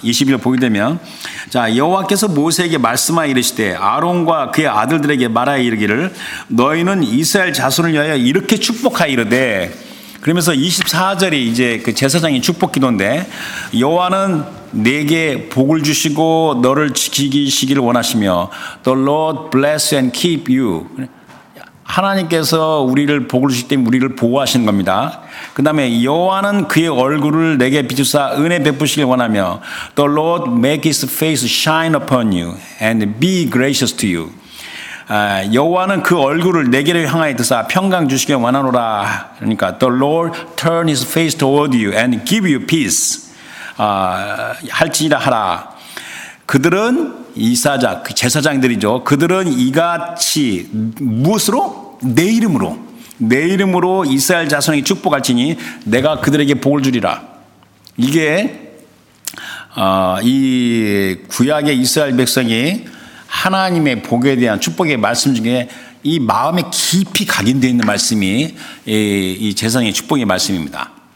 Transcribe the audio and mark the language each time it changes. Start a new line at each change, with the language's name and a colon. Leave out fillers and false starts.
Korean: 22절 보게 되면 자 여호와께서 모세에게 말씀하여 이르시되 아론과 그의 아들들에게 말하여 이르기를 너희는 이스라엘 자손을 위하여 이렇게 축복하여 이르되 그러면서 24절이 이제 그 제사장의 축복 기도인데 여호와는 내게 복을 주시고 너를 지키시기를 원하시며 The Lord bless and keep you. 하나님께서 우리를 복을 주실 때 우리를 보호하시는 겁니다. 그 다음에 여호와는 그의 얼굴을 내게 비추사 은혜 베푸시길 원하며 The Lord make his face shine upon you and be gracious to you. 여호와는 그 얼굴을 내게로 향하여 드사 평강 주시길 원하노라.
English: 그러니까 The Lord turn his face toward you and give you peace.
Korean: 할지니라 하라. 그들은 이사자, 그 제사장들이죠. 그들은 이같이 무엇으로? 내 이름으로. 내 이름으로 이스라엘 자손에게 축복할지니 내가 그들에게 복을 주리라. 이게 이 구약의 이스라엘 백성이 하나님의 복에 대한 축복의 말씀 중에 이 마음에 깊이 각인되어 있는 말씀이 이 제사장의 축복의 말씀입니다.